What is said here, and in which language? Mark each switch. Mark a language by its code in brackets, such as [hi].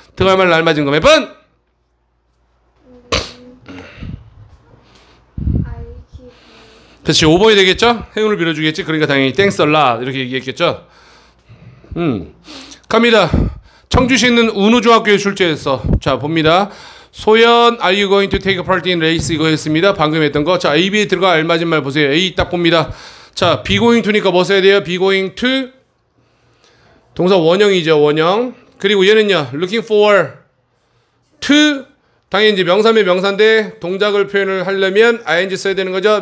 [ko] 들어갈 말 날 맞은 거 몇 번? [en] I'll keep. [ko] 그렇지, 5번이 되겠죠? 행운을 빌어주겠지? 그러니까 당연히 [en] thanks a lot. [ko] 이렇게 얘기했겠죠? 갑니다. 청주시 있는 운우중학교에 출제했어. 자, 봅니다. [en] 소연, are you going to take a part in race? [ko] 이거 했습니다. 방금 했던 거. 자, A, B에 들어가 알맞은 말 보세요. A 딱 봅니다. 자, be going to니까 뭐 써야 돼요? be going to. 동사 원형이죠, 원형. 그리고 얘는요, looking forward to. 당연히 이제 명사면 명사인데, 동작을 표현을 하려면 ing 써야 되는 거죠.